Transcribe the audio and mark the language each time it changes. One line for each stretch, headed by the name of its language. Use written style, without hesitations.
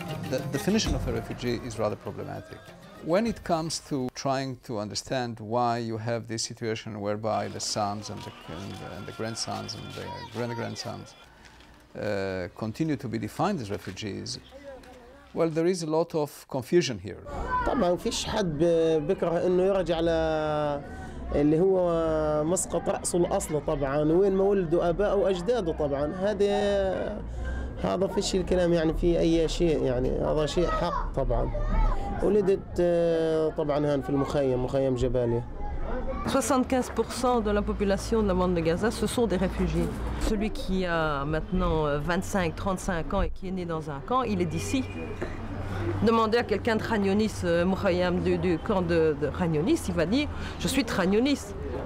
English: The definition of a refugee is rather problematic. When it comes to trying to understand why you have this situation whereby the sons and the grandsons and the grandsons continue to be defined as refugees, well, there is a lot of confusion here.
Arabic: طبعاً فيش حد بكره إنه يرجع على اللي هو مسقط رأسه الأصل طبعاً، وين ما ولده أباءه وأجداده طبعاً. هذا فيش الكلام يعني في أي شيء، يعني هذا شيء حق طبعاً. ولدت طبعاً هان في المخيم، مخيم جبالية.
French: 75% de la population de la bande de Gaza ce sont des réfugiés. Celui qui a maintenant 25-35 ans et qui est né dans un camp, il est d'ici. Demandez à quelqu'un de Khan Younis, Mouhayam, du camp de Khan Younis, il va dire « je suis de Khan Younis ».